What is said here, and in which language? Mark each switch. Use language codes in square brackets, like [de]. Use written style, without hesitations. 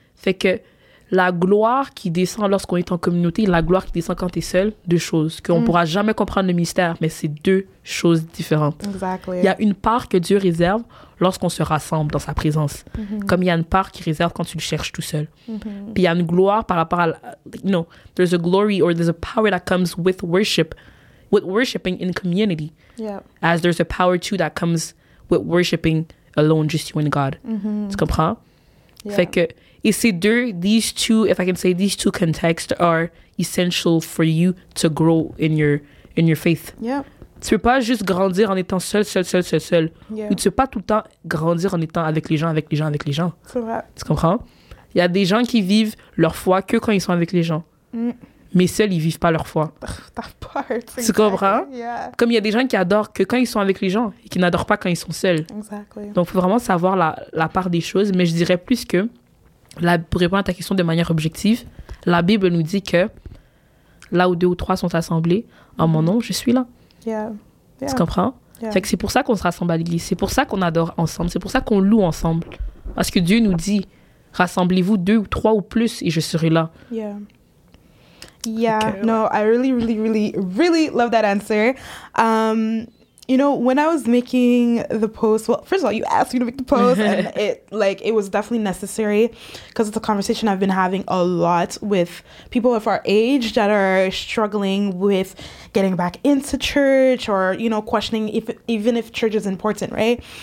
[fr] Fait que la gloire qui descend lorsqu'on est en communauté, la gloire qui descend quand t'es seul, deux choses. Qu'on pourra jamais comprendre le mystère, mais c'est deux choses différentes. [en] Exactly. [fr] Il y a une part que Dieu réserve lorsqu'on se rassemble dans sa présence. Mm-hmm. Comme il y a une part qu'il réserve quand tu le cherches tout seul. Mm-hmm. Puis il y a une gloire par rapport à... [en] there's a glory or there's a power that comes with worship, with worshiping in community. Yeah. As there's a power too that comes with worshiping alone, just you and God. Mm-hmm. [fr] Tu comprends? [en] Yeah. [fr] Fait que... Et ces deux, [en] these two contexts are essential for you to grow in your faith. Yeah. [fr] Tu peux pas juste grandir en étant seul. [en] Yeah. [fr] Ou tu peux pas tout le temps grandir en étant avec les gens. C'est vrai. Tu comprends? Il y a des gens qui vivent leur foi que quand ils sont avec les gens. Mais seuls, ils vivent pas leur foi. Tu comprends? [en] Yeah. [fr] Comme il y a des gens qui adorent que quand ils sont avec les gens et qui n'adorent pas quand ils sont seuls. [en] Exactly. [fr] Donc, faut vraiment savoir la part des choses. Mais je dirais plus que pour répondre à ta question de manière objective, la Bible nous dit que là où deux ou trois sont assemblés, en mon nom, je suis là. [en] Yeah. Yeah. [fr] Tu comprends? [en] Yeah. [fr] Fait que c'est pour ça qu'on se rassemble à l'église. C'est pour ça qu'on adore ensemble. C'est pour ça qu'on loue ensemble. Parce que Dieu nous dit, rassemblez-vous deux ou trois ou plus et je serai là. [en] Yeah. Yeah. Okay. No, I really, really, really, really love that answer. You know, when I was making the post, well, first of all, you asked me to make the post, and it was definitely necessary because it's a conversation I've been having a lot with people of our age that are struggling with getting back into church or, you know, questioning if church is important, right?